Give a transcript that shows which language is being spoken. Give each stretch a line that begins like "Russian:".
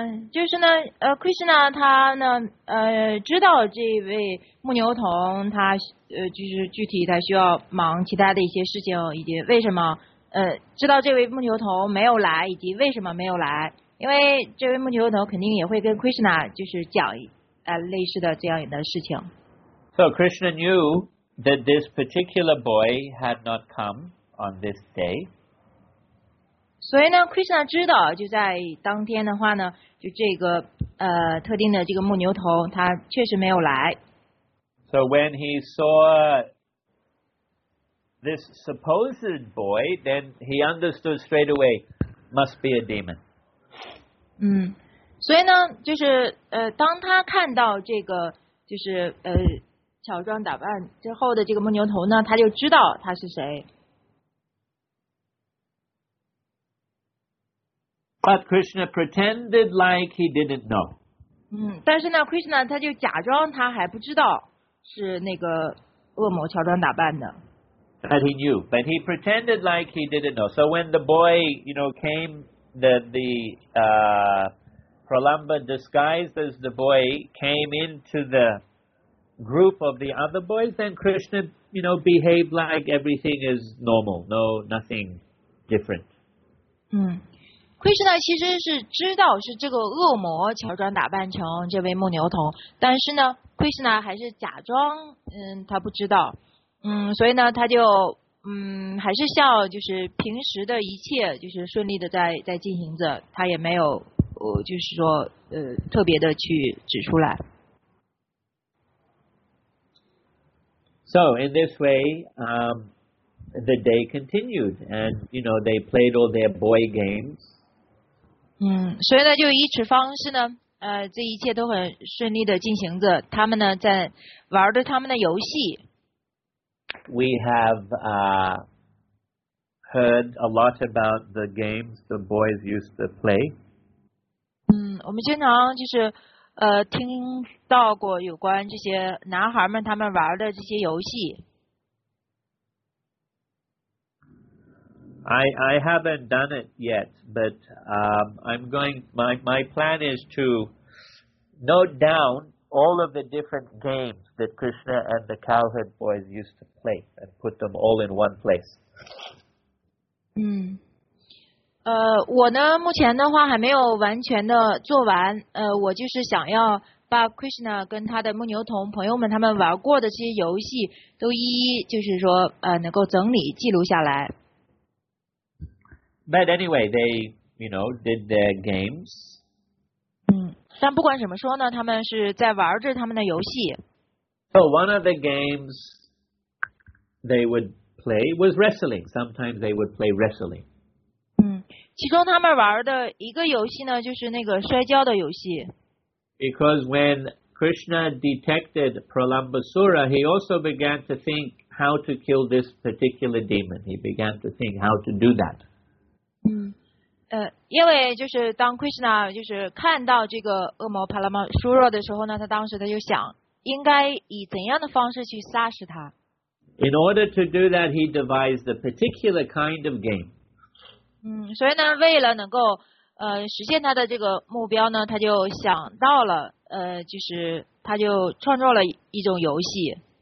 Chinese: 就是呢，Krishna 他呢，知道这位牧牛童他就是具体他需要忙其他的一些事情，以及为什么知道这位牧牛童没有来，以及为什么没有来，因为这位牧牛童肯定也会跟 Krishna 就是讲类似的这样的事情。
English: So Krishna knew that this particular boy had not come on this day.
Chinese: 所以呢 ，Krishna 知道就在当天的话呢，就这个特定的这个牧牛童他确实没有来。
English: So when he saw this supposed boy, then he understood straight away must be a demon.
Chinese: 所以呢，就是当他看到这个就是乔装打扮之后的这个牧牛童呢，他就知道他是谁。
English: But Krishna pretended like he didn't know.
Chinese: 但是呢 ，Krishna 他就假装他还不知道是那个恶魔乔装打扮的。
English: But he knew. But he pretended like he didn't know. So when the boy, you know, came, Pralamba disguised as the boy came into the group of the other boys, then Krishna, you know, behaved like everything is normal, no, nothing different.
Chinese: Krishna 其实是知道是这个恶魔乔装打扮成这位牧牛童，但是呢 ，Krishna 还是假装他不知道，所以呢，他就还是像就是平时的一切就是顺利的在进行着，他也没有就是说特别的去指出来。
English: So in this way, the day continued, and you know they played all their boy games.
Chinese: 所以呢，就以此方式呢，这一切都很顺利的进行着。他们呢，在玩着他们的游戏。
English: We have heard a lot about the games the boys used to play.
Chinese: 我们经常就是听到过有关这些男孩们他们玩的这些游戏。
English: I haven't done it yet, but I'm going. My plan is to note down all of the different games that Krishna and the cowherd boys used to play and put them all in one place.
Chinese: 我呢，目前的话还没有完全的做完。我就是想要把 Krishna 跟他的牧牛童朋友们他们玩过的这些游戏都一一就是说能够整理记录下来。
English: But anyway, they, you know, did their games.
Chinese: 但不管怎么说呢，他们是在玩着他们的游戏。
English: So one of the games they would play was wrestling. Sometimes they would play wrestling.
Chinese: 其中他们玩的一个游戏呢，就是那个摔跤的游戏。
English: Because when Krishna detected Pralambasura, he also began to think how to kill this particular demon. He began to think how to do that.
Chinese: 因为就是当 Krishna 就是看到这个恶魔帕拉玛苏若的时候呢，他当时他就想应该以怎样的方式去杀死他。
English: In order to do that, he devised a particular kind of game.
Chinese: 所以呢，为了能够实现他的这个目标呢，他就想到了就是他就创作了一种游戏。